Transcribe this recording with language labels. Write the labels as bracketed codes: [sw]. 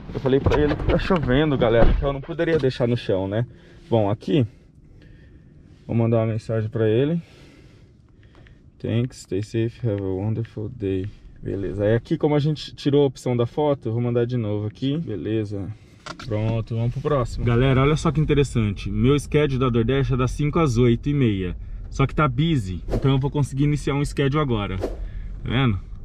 [pt] Eu falei pra ele que tá chovendo, galera, que eu não poderia deixar no chão, né? Bom, aqui, vou mandar uma mensagem pra ele. [en] Thanks, stay safe, have a wonderful day. [pt] Beleza, aí aqui como a gente tirou a opção da foto, vou mandar de novo aqui. Beleza, pronto, vamos pro próximo. Galera, olha só que interessante. Meu schedule da DoorDash é das 5 às 8h30. Só que tá busy, então eu vou conseguir iniciar um schedule agora. Tá vendo?